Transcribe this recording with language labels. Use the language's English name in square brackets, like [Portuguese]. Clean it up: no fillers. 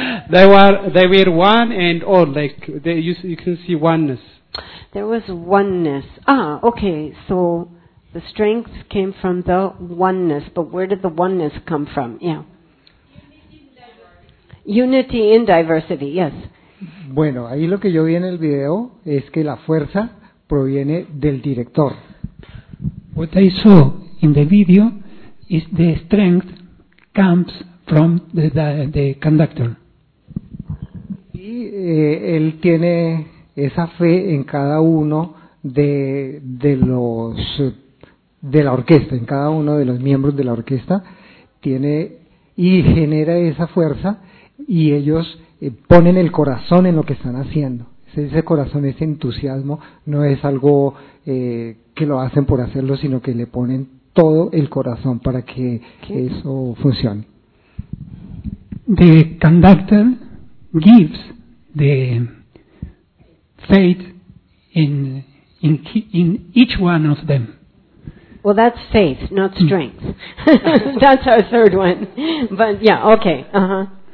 [English] They were one and all, like, you can see oneness. There was oneness. Ah, okay, so the strength came from the oneness, but where did the oneness come from? Yeah. Unity in diversity, yes. [Spanish] Bueno, ahí lo que yo vi en el video es que la fuerza proviene del director. [English] What I saw in the video is the strength comes from the conductor. [Spanish] Y él tiene esa fe en cada uno de la orquesta, en cada uno de los miembros de la orquesta, tiene y genera esa fuerza y ellos ponen el corazón en lo que están haciendo. Ese corazón, ese entusiasmo, no es algo que lo hacen por hacerlo, sino que le ponen todo el corazón para que eso funcione. [English] The conductor gives the faith in each one of them. Well, that's faith, not strength. That's our third one. But yeah, okay. Uh-huh.